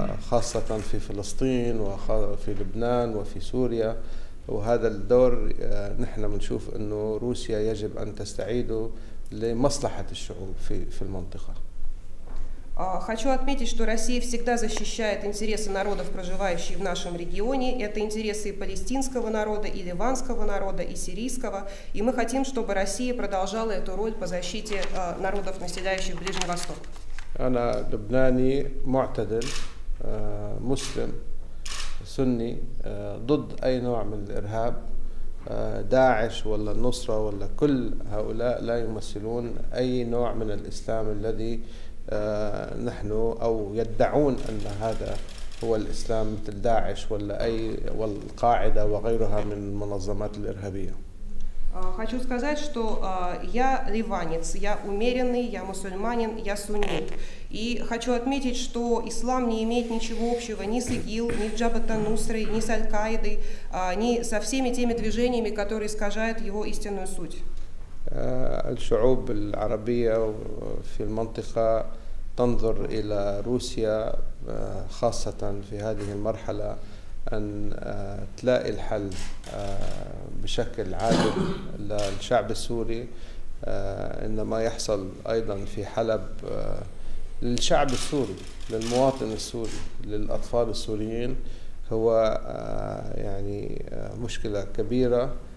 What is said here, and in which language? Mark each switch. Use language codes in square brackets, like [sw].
[ar] خاصة في فلسطين وفي لبنان وفي سوريا وهذا الدور نحن بنشوف انه روسيا يجب ان تستعيده لمصلحة الشعوب في المنطقة. [ru] Хочу отметить, что Россия всегда защищает интересы народов, проживающих в нашем регионе. Это интересы и палестинского народа, и ливанского народа, и сирийского. И мы хотим, чтобы Россия продолжала эту роль по защите народов, населяющих Ближний Восток. [ar] أنا لبناني معتدل مسلم سني ضد أي نوع من الإرهاب داعش ولا النصرة ولا كل هؤلاء لا يمثلون أي نوع من الإسلام الذي نحن أو يدعون أن هذا هو الإسلام مثل داعش ولا أي والقاعدة وغيرها من المنظمات الإرهابية. [ru] Хочу сказать, что я ливанец, я умеренный, я мусульманин, я суннит. И хочу отметить, что ислам не имеет ничего общего ни с ИГИЛ, ни с Джабхат-ан-Нусрой, ни с Аль-Каидой, ни со всеми теми движениями, которые искажают его истинную суть. [ar] الشعوب العربية في المنطقة تنظر إلى روسيا خاصة في هذه المرحلة أن تلاقي الحل بشكل عادل للشعب السوري إنما يحصل أيضا في حلب للشعب السوري للمواطن السوري للأطفال السوريين هو يعني مشكلة كبيرة